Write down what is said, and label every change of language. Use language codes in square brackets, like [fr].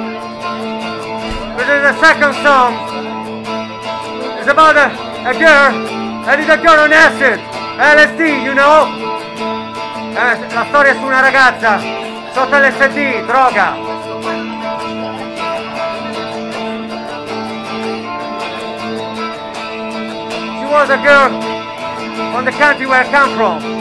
[en] The second song is about a girl, and it's a girl on acid, LSD, you know? [it] La storia è su una ragazza, sotto LSD, droga. [en] She was a girl from the country where I come from.